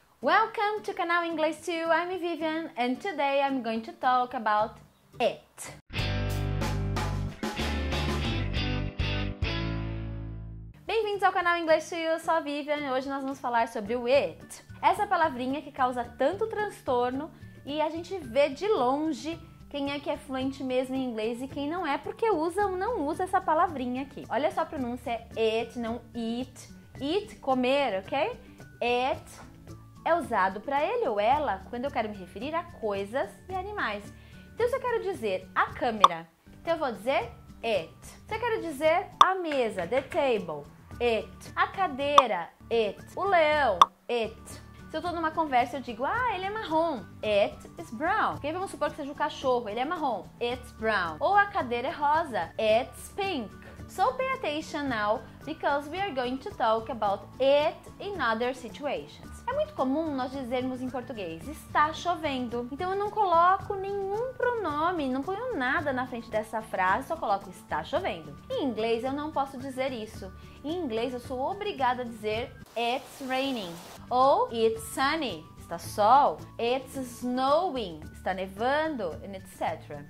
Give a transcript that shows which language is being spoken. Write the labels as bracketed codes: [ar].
[en] Welcome to Canal English 2, I'm Vivian, and today I'm going to talk about it. [pt] Bem-vindos ao Canal English 2, eu sou a Vivian, e hoje nós vamos falar sobre o it. Essa palavrinha que causa tanto transtorno, e a gente vê de longe quem é que é fluente mesmo em inglês e quem não é, porque usa ou não usa essa palavrinha aqui. Olha só a pronúncia, é it, não eat. Eat, comer, ok? It é usado para ele ou ela quando eu quero me referir a coisas e animais. Então, se eu quero dizer a câmera, então eu vou dizer it. Se eu quero dizer a mesa, [en] the table, [pt] it. A cadeira, it. O leão, it. Se eu tô numa conversa, eu digo, ah, ele é marrom. [en] It is brown. [pt] Okay? Vamos supor que seja o cachorro, ele é marrom. [en] It's brown. [pt] Ou a cadeira é rosa. [en] It's pink. So pay attention now, because we are going to talk about it in other situations. [pt] É muito comum nós dizermos em português, está chovendo. Então eu não coloco nenhum pronome, não ponho nada na frente dessa frase, só coloco está chovendo. Em inglês eu não posso dizer isso. Em inglês eu sou obrigada a dizer [en] it's raining. Ou it's sunny, [pt] está sol. [en] It's snowing, [pt] está nevando, [en] and etc.